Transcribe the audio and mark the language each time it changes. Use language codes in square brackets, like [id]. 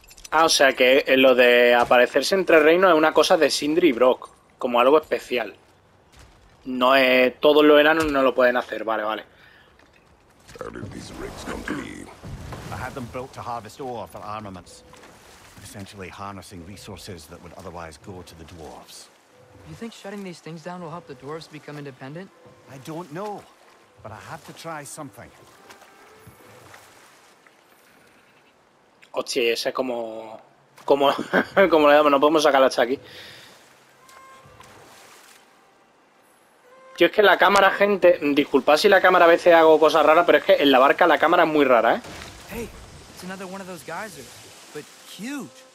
[es] Ah, o sea que lo de aparecerse entre reinos es una cosa de Sindri y Brock, como algo especial. No es todos los enanos no lo pueden hacer, vale, vale. [en] I had them built to harvest ore for armaments, essentially harnessing resources that would otherwise go to the dwarves. You think shutting these things down will help the dwarves become independent? I don't know, but I have to try something. [es] Hostia, ese como como le damos, no podemos sacar la hacha aquí. Tío, es que la cámara, gente, disculpad si la cámara a veces hago cosas raras, pero es que en la barca la cámara es muy rara, ¿eh? [en] Hey, it's another one of those geysers, but huge.